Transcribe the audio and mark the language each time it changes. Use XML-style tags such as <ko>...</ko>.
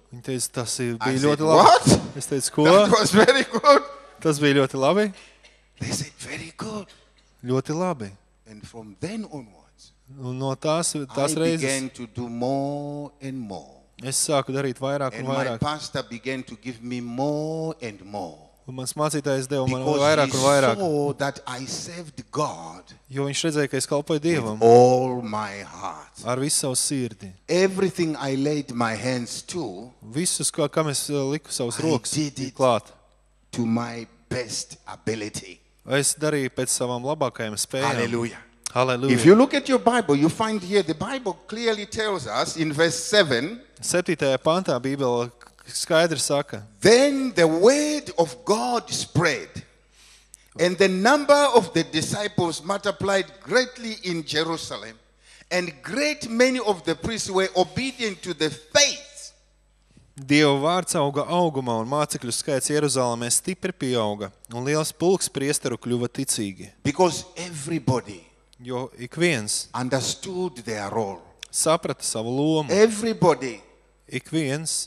<lv>Viņi teica, tas bija</lv> <en>I</en> <lv>ļoti</lv> <en>said,</en> <lv>labi.</lv> <en>What?</en> <lv>Es teicu, ko?</lv> <en>That was very good.</en> <lv>Tas bija ļoti labi.</lv> <en>They said very good.</en> <lv>Ļoti labi.</lv> <en>And from then on</en> <lv>Un no tās reizes</lv> <en>began to do more and more.</en> <lv>Es sāku darīt vairāk un vairāk.</lv> <en>And my pastor began to give me more and more.</en> <lv>Un mans mācītājs deva man vairāk un vairāk.</lv> <en>Because he saw that I served God.</en> <lv>Jo viņš redzēja, ka es kalpoju Dievam.</lv> <en>With all my heart.</en> <lv>Ar visu savu sirdi.</lv> <en>Everything I laid my hands to.</en> <lv>Visus, kam es liku savus rokas,</lv> <en>I did it to my best ability.</en> <lv>Es darīju pēc savām labākajām spējām. Hallelujah. Hallelujah.</lv> <en>If you look at your Bible, you find here the Bible clearly tells us in verse 7. 7.</en> <lv>Pantā Bībele skaidri saka.</lv> <en>Then the word of God spread and the number of the disciples multiplied greatly in Jerusalem and great many of the priests were obedient to the faith.</en> <lv>Dieva vārds auga augumā un mācekļu skaits Jeruzalemē stipri pieauga un liels pulks priesteru kļuva ticīgi.</lv> <en>Because everybody</en> <lv>Jo ik viens</lv> <en>understood their role.</en> <lv>Saprata savu lomu.</lv> <en>Everybody</en> <lv>ik viens</lv>